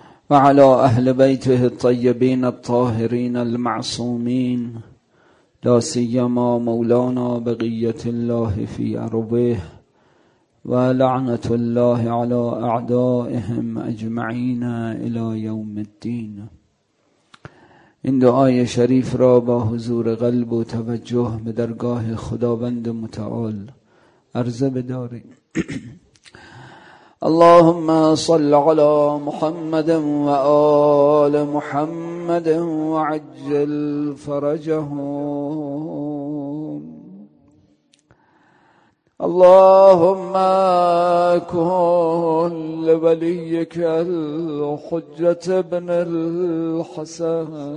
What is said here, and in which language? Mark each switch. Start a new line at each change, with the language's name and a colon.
Arabic: وعلى أهل بيته الطيبين الطاهرين المعصومين، لا سيما مولانا بقية الله في أرضه، ولعنة الله على أعدائهم أجمعين إلى يوم الدين.
Persian: إن دعاي شريف را با حضور قلب و توجه به درگاه خداوند متعال عرض بداریم.
Arabic: اللهم صل على محمد وآل محمد وعجل فرجهم. اللهم كن لوليك الحجة ابن الحسن